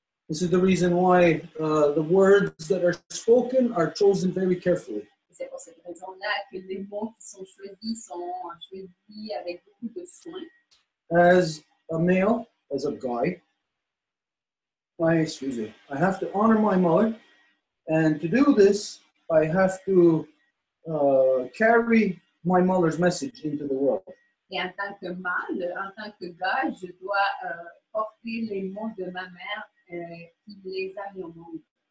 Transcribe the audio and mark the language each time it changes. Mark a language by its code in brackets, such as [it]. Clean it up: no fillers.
[en] This is the reason why the words that are spoken are chosen very carefully. [fr] C'est pour cette raison-là que les mots qui sont choisis avec beaucoup de soin. [en] As a male, as a guy, I have to honor my mother, and to do this, I have to carry my mother's message into the world. [fr] Et en tant que mâle, en tant que gars, je dois porter les mots de ma mère qui les a mis au monde.